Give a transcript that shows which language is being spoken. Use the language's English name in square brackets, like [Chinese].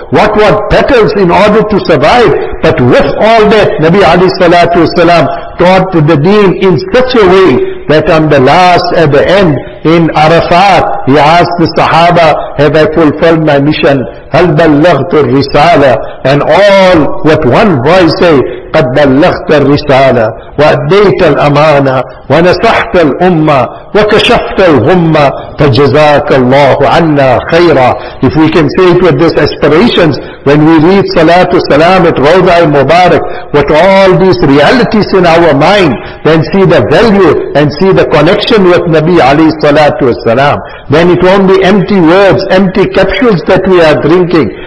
[English] What were battles in order to survive? But with all that, Nabi Ali Salatu Wasalam taught the deen in such a way that on the last, at the end, in Arafat, he asked the Sahaba, have I fulfilled my mission? [Arabic] Hal ballaghtu ar-risala? [English] And all with one voice say, [Arabic] قَدْ بَلَّغْتَ الرِّسَالَةَ وَأَدَّيْتَ الْأَمَانَةَ وَنَصَحْتَ الْأُمَّةَ وَكَشَفْتَ الْغُمَّةَ فَجَزَاكَ اللَّهُ عَنَّا خَيْرًا. [English] If we can say it with these aspirations, when we read Salatu Salam at Rawdah Mubarak, with all these realities in our mind, then see the value and see the connection with Nabi Ali salatu wassalam. Then it won't be empty words, empty capsules that we are drinking.